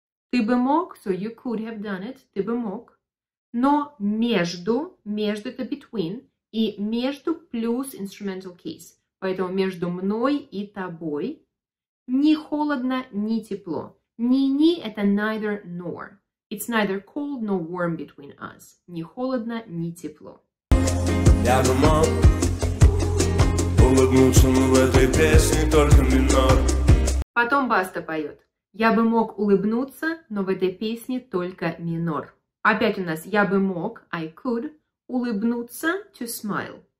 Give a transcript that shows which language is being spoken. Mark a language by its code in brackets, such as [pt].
[ru] Ты бы мог, [en] so you could have done it, [ru] ты бы мог. Но между это [en] between, [ru] и между плюс [en] instrumental case. [ru] Поэтому между мной и тобой не холодно, не тепло. Ни-ни это [en] neither nor. It's neither cold nor warm between us. [ru] Ни холодно, ни тепло. Я бы мог улыбнуться, но в этой песне только минор. Потом Баста поет. Я бы мог улыбнуться, но в этой песне только минор. Опять у нас я бы мог, [en] I could, [ru] улыбнуться, [en] to smile.